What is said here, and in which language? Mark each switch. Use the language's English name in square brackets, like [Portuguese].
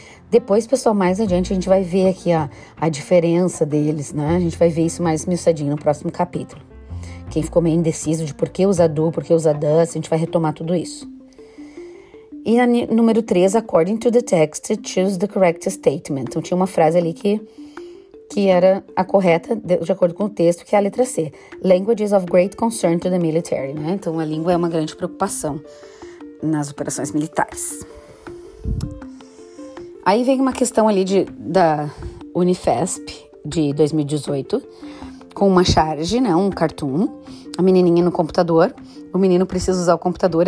[Portuguese] Depois, pessoal, mais adiante a gente vai ver aqui a diferença deles, né? A gente vai ver isso mais miuçadinho no próximo capítulo. Quem ficou meio indeciso de por que usa do, por que usa does, a gente vai retomar tudo isso. E a número 3, [English] according to the text, choose the correct statement. [Portuguese] Então, tinha uma frase ali que era a correta, de acordo com o texto, que é a letra C. [English] Language is of great concern to the military, né? [Portuguese] Então, a língua é uma grande preocupação nas operações militares. Aí vem uma questão ali da Unifesp, de 2018, com uma charge, né? Um cartoon, a menininha no computador. O menino precisa usar o computador.